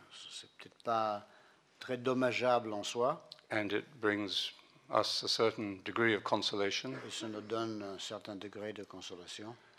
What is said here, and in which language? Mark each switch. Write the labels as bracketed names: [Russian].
[French] C'est peut-être pas très dommageable en soi. [English] And it brings us a certain degree of consolation, [French] et ça nous donne un certain degré de consolation,